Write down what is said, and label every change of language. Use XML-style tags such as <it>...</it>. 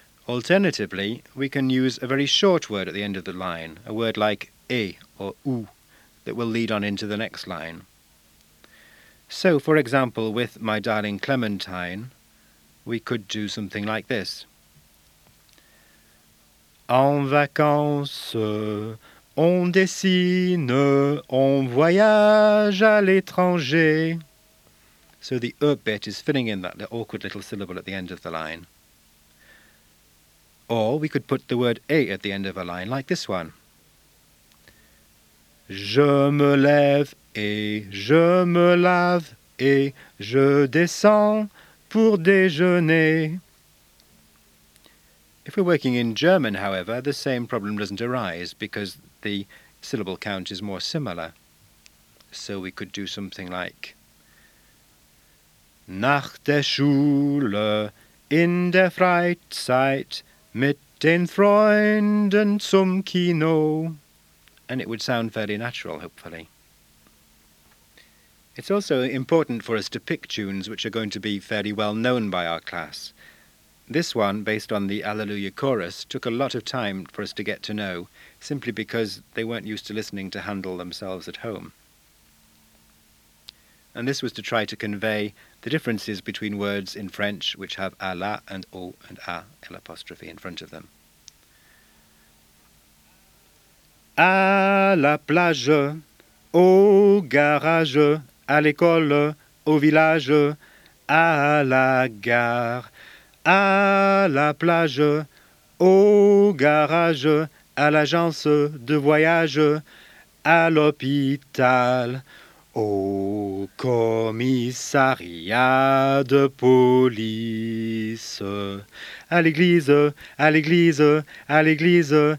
<en>Alternatively, we can use a very short word at the end of the line, a word like or ou, that will lead on into the next line. So, for example, with My Darling Clementine, we could do something like this.</en> <fr>En vacances, on dessine, on voyage à l'étranger.</fr> <en>So the bit is filling in that awkward little syllable at the end of the line. Or we could put the word at the end of a line, like this one.</en> <fr>Je me lève et je me lave et je descends pour déjeuner.</fr> <en>If we're working in German, however, the same problem doesn't arise because the syllable count is more similar. So we could do something like</en> <de>Nach der Schule in der Freizeit mit den Freunden zum Kino.</de> <en>And it would sound fairly natural, hopefully. It's also important for us to pick tunes which are going to be fairly well known by our class. This one, based on the Alleluia chorus, took a lot of time for us to get to know, simply because they weren't used to listening to Handel themselves at home. And this was to try to convey the differences between words in French which have a la and o and a l apostrophe in front of them.</en> <fr>À la plage, au garage, à l'école, au village, à la gare, à la plage, au garage, à l'agence de voyage, à l'hôpital, au commissariat de police, à l'église, à l'église, à l'église,</fr>